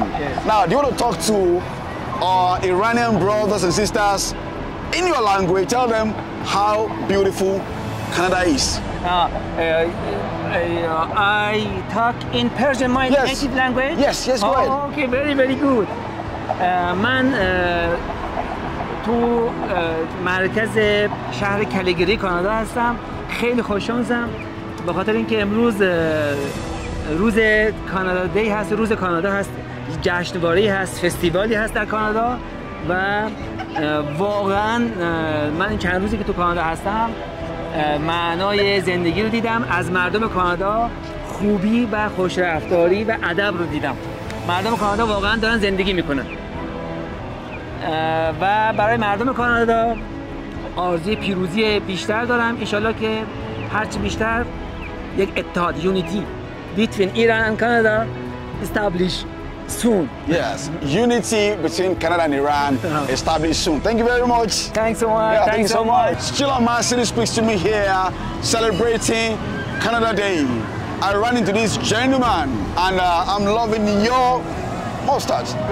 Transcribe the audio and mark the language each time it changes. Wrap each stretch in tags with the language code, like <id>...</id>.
<en>Yes. Now, do you want to talk to our Iranian brothers and sisters in your language? Tell them how beautiful Canada is. I talk in Persian, my native language. Yes, yes, go ahead. Okay, very, very good.</en> <fa>من تو مرکز شهر کلگری کانادا هستم. خیلی خوشحالم به خاطر اینکه امروز روز کانادا دی هست، روز کانادا هست، جشنواره‌ای هست، فستیوالی هست در کانادا و واقعا من این چند روزی که تو کانادا هستم معنای زندگی رو دیدم، از مردم کانادا خوبی و خوش رفتاری و ادب رو دیدم. مردم کانادا واقعا دارن زندگی میکنن و برای مردم کانادا آرزوی پیروزی بیشتر دارم. انشالله که هرچی بیشتر یک اتحاد یونیتی</fa> <en>between Iran and Canada establish soon. Yes, unity between Canada and Iran established soon. Thank you very much. Thanks so much. Yeah, thank you so much. Chilla Marcini speaks to me here celebrating Canada Day. I ran into this gentleman and I'm loving your mustache.</en>